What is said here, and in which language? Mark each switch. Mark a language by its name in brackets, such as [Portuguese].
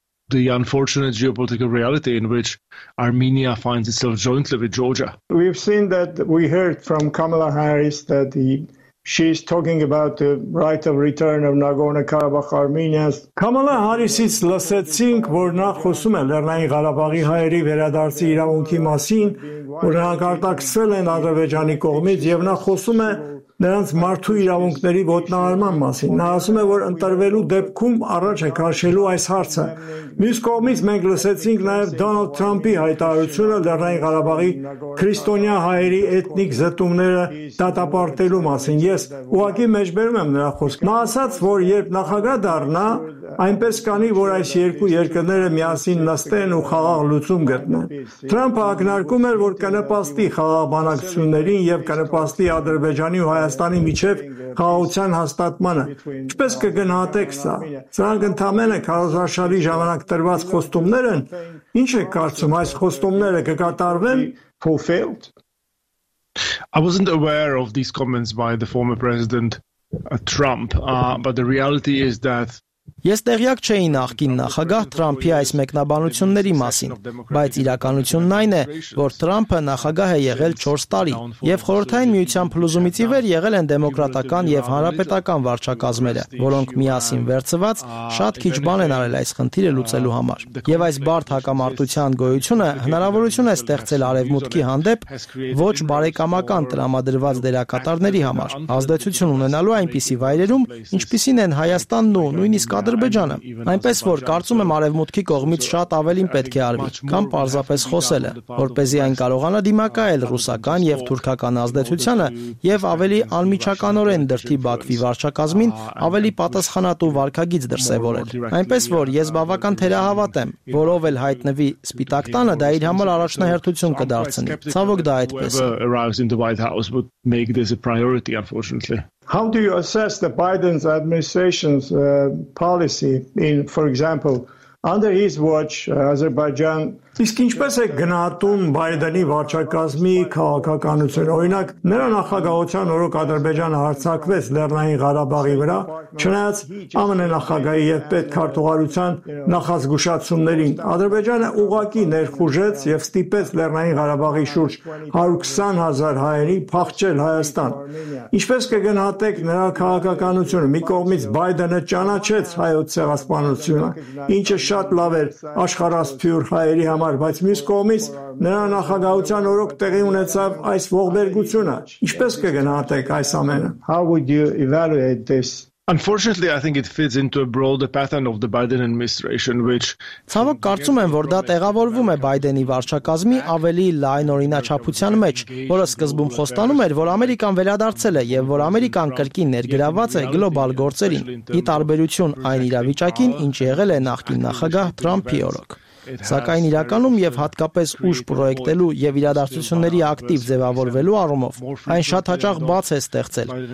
[English] The unfortunate geopolitical reality in which Armenia finds itself jointly with Georgia. We've seen that, we heard from Kamala Harris that she's talking about the right of return of Nagorno-Karabakh Armenians. [Armenian] Kamala Harris-ից լսեցինք, որ նա խոսում է Լեռնային Ղարաբաղի հայերի վերադարձի իրավունքի մասին, որ նրանք արտաքսել են Ադրբեջանի կողմից, եւ նա խոսում է նրանց մարդու իրավունքների ոտնահարման մասին։ Նա ասում է, որ ընտրվելու դեպքում առաջ է քաշելու այս հարցը։ Մյուս կողմից մենք լսեցինք նաև Դոնալդ Թրամփի հայտարարությունը Լեռնային Ղարաբաղի քրիստոնյա հայերի էթնիկ զտումները դատապարտելու մասին։ Ես ուղղակի մեջբերում եմ նրա խոսքը։ Նա ասաց, որ երբ նախագահ դառնա, այնպես կանի, որ այս երկու երկրները միասին նստեն ու խաղաղ լուծում գտնեն։ Թրամփը ակնարկում էր, որ կնպաստի խաղաղբանակցություններին եւ կնպաստի Ադրբեջանի ու Հայաստանի միջև խաղաղության հաստատմանը։ Ինչպես կգնահատեք սա։ Սրանք ընդամենը քարոզարշավի ժամանակ տրված խոստումներ են։ Ինչ է կարծում, այս խոստումները կկատարվեն? [English] Fulfilled. I wasn't aware of these comments by the former president Trump, but the reality is that [Armenian] Ես տեղյակ չէի նախկին նախագահ Թրամփի այս մեկնաբանությունների մասին, բայց իրականությունն այն է, որ Թրամփը նախագահ է եղել 4 տարի, եւ խորհրդային միության փլուզումից ի վեր եղել են դեմոկրատական եւ հանրապետական վարչակազմերը, որոնք միասին վերծված շատ քիչ բան են արել այս խնդիրը լուծելու համար։ Եվ այս բարդ հակամարտության գոյությունը հնարավորություն է ստեղծել արևմուտքի հանդեպ ոչ բարեկամական տրամադրված դերակատարների համար ազդեցություն ունենալու այնպիսի վայրերում, ինչպիսին են Հայաստանն ու նույնիսկ Ադրբեջանը, այնպես որ կարծում եմ արևմուտքի կողմից շատ ավելին պետք է արվի, կամ պարզապես խոսելը, որպեսզի այն կարողանա դիմակայել ռուսական եւ թուրքական ազդեցությանը եւ ավելի անմիջականորեն դրդի Բաքվի վարչակազմին ավելի պատասխանատու վարքագիծ դրսեւորել։ Այնպես որ ես բավական թերահավատ եմ, որով էլ հայտնվի Սպիտակ տանը, դա իր համար առաջնահերթություն կդարձնի։ Ցավոք դա այդպես է։ [English] How do you assess the Biden administration's policy in, for example, under his watch, Azerbaijan? [Armenian] Իսկ ինչպես է գնահատում Բայդենի վարչակազմի քաղաքականությունը։ Օրինակ, նրա նախագահության օրոք Ադրբեջանը հարձակվեց Լեռնային Ղարաբաղի վրա, չնայած ԱՄՆ նախագահի եւ պետքարտուղարության նախազգուշացումներին։ Ադրբեջանը ուղղակի ներխուժեց եւ ստիպեց Լեռնային Ղարաբաղի շուրջ 120,000 հայերի փախչել Հայաստան։ Ինչպես կգնահատեք նրա քաղաքականությունը։ Մի կողմից Բայդենը ճանաչեց հայոց ցեղասպանությունը, ինչը շատ լավ էր աշխարհասփյուր հայերի համար, բայց մյուս կողմից նրա նախագահության օրոք տեղի ունեցավ այս ողբերգությունը։ Ինչպես կգնահատեք այս ամենը? [English] How would you evaluate this? Unfortunately, I think it fits into a broader pattern of the Biden administration, which [Armenian] Ցավոք կարծում եմ, որ դա տեղավորվում է Բայդենի վարչակազմի ավելի լայն օրինաչափության մեջ, որը սկզբում խոստանում էր, որ Ամերիկան վերադարձել է եւ որ Ամերիկան կրկին ներգրաված է գլոբալ գործերին, ի տարբերություն այն իրավիճակին, ինչ եղել է նախկին նախագահ Թրամփի օրոք։ Սակայն իրականում եւ հատկապես ուշ պրոյեկտելու եւ իրադարձությունների ակտիվ ձևավորվելու առումով այն շատ հաճախ բաց է ստեղծել,